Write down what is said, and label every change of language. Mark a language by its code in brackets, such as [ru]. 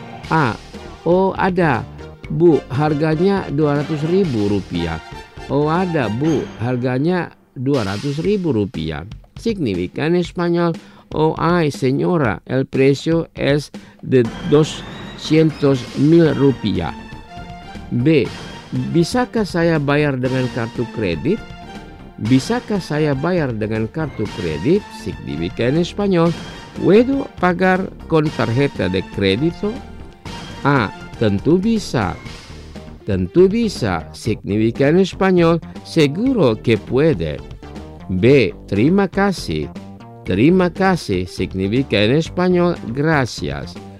[id] A. Oh, ada, Bu, harganya 200.000 rupiah. Oh, ada, Bu, harganya 200.000 rupiah. [es] Significa en español. Oh, ay, señora, el precio es de 200.000 rupiah. B. [id] Bisakah saya bayar dengan kartu kredit? Bisakah saya bayar dengan kartu kredit? [es] Significa en español. ¿Puedo pagar con tarjeta de crédito? [id] Ah, tentu bisa. Tentu bisa [es] significa en español seguro que puede. [id] B, terima kasih. Terima kasih [es] significa en español gracias.